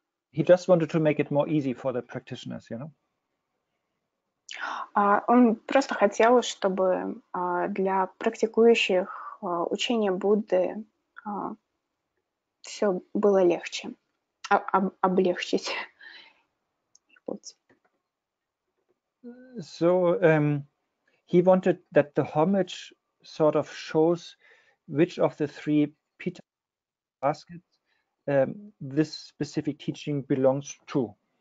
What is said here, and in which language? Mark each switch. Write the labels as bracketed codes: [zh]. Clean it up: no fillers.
[en] He just wanted to make it more easy for the practitioners, you know? [ru] Он просто хотел, чтобы для практикующих учение Будды все было легче, облегчить путь. [en] So he wanted that the homage sort of shows which of the three pita baskets this specific teaching belongs to.